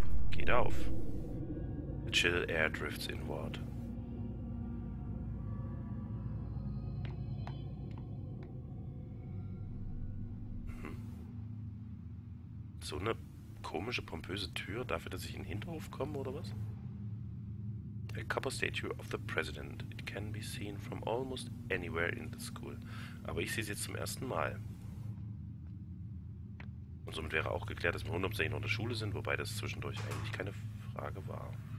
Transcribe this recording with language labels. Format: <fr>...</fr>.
<de>Geht auf.</de> <en>The chill air drifts inward.</en> <de>So eine komische, pompöse Tür, dafür, dass ich in den Hinterhof komme, oder was?</de> <en>A copper statue of the president. It can be seen from almost anywhere in the school.</en> <de>Aber ich sehe sie jetzt zum ersten Mal. Und somit wäre auch geklärt, dass wir 100% noch in der Schule sind, wobei das zwischendurch eigentlich keine Frage war.</de>